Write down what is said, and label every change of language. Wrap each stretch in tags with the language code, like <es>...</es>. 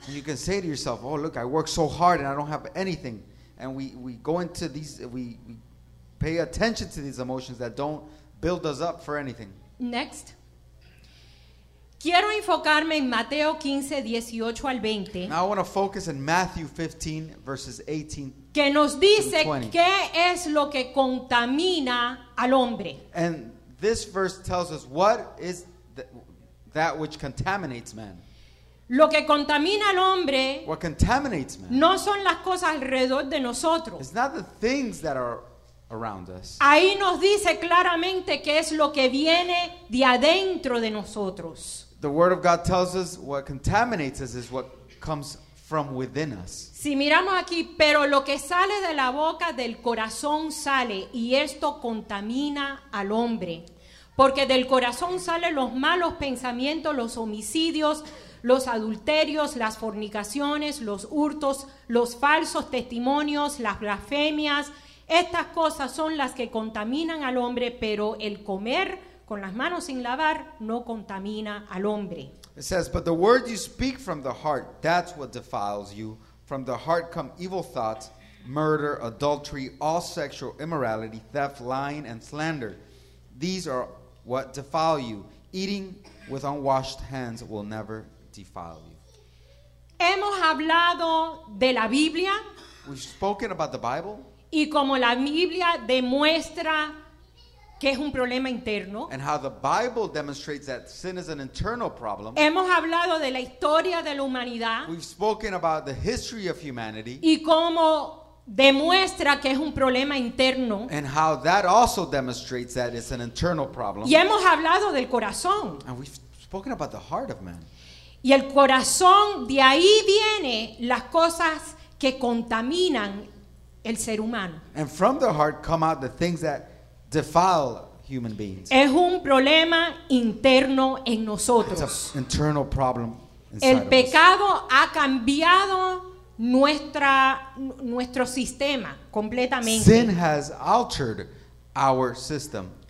<en>And you can say to yourself, oh, look, I work so hard and I don't have anything. And we go into these, we pay attention to these emotions that don't build us up for anything. Next.</en> <es>Quiero enfocarme en Mateo 15, 18 al 20.</es> <en>Now I want to focus in Matthew 15, verses 18 to 20.</en> <es>Que nos dice qué es lo que contamina al hombre.</es> <en>And this verse tells us what is that which contaminates man.</en> <es>Lo que contamina al hombre,</es> <en>what contaminates man,</en> <es>no son las cosas alrededor de nosotros.</es> <en>It's not the things that are around us.</en> <es>Ahí nos dice claramente qué es lo que viene de adentro de nosotros.</es> <en>The word of God tells us what contaminates us is what comes from within us.</en> <es>Si miramos aquí, pero lo que sale de la boca del corazón sale, y esto contamina al hombre. Porque del corazón salen los malos pensamientos, los homicidios, los adulterios, las fornicaciones, los hurtos, los falsos testimonios, las blasfemias. Estas cosas son las que contaminan al hombre, pero el comer con las manos sin lavar no contamina al hombre.</es> <en>It says, but the word you speak from the heart, that's what defiles you. From the heart come evil thoughts, murder, adultery, all sexual immorality, theft, lying, and slander. These are what defile you. Eating with unwashed hands will never defile you.</en> <es>Hemos hablado de la Biblia.</es> <en>We've spoken about the Bible.</en> <es>Y como la Biblia demuestra que es un problema interno.</es> <en>And how the Bible demonstrates that sin is an internal problem.</en> <es>Hemos hablado de la historia de la humanidad.</es> <en>We've spoken about the history of humanity.</en> <es>Y cómo demuestra que es un problema interno.</es> <en>And how that also demonstrates that it's an internal problem.</en> <es>Y hemos hablado del corazón.</es> <en>And we've spoken about the heart of man.</en> <es>Y el corazón, de ahí viene las cosas que contaminan el ser humano.</es> <en>And from the heart come out the things that defile human beings.</en> <es>Es un problema interno en nosotros.</es> <en>It's an internal problem inside.</en> <es>El pecado ha cambiado nuestro sistema completamente.</es> <en>Sin has altered our system.</en>